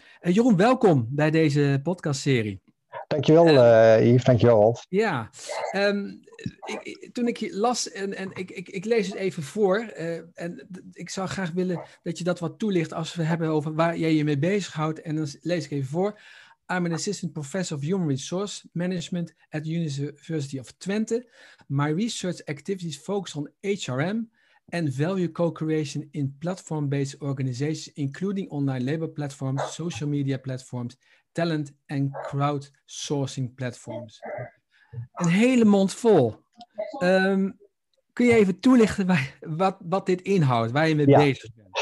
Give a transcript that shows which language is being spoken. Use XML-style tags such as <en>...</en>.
<nl>Jeroen, welkom bij deze podcastserie. Dankjewel, Yves, dankjewel, Alf. Ja, toen ik je las, en ik lees het even voor, ik zou graag willen dat je dat wat toelicht als we hebben over waar jij je mee bezighoudt, en dan lees ik even voor.</nl> <en>I'm an assistant professor of human resource management at the University of Twente. My research activities focus on HRM, and value co-creation in platform-based organizations, including online labor platforms, social media platforms, talent and crowdsourcing platforms.</en> <nl>Een hele mond vol. Kun je even toelichten wat dit inhoudt, waar je mee bezig bent?</nl>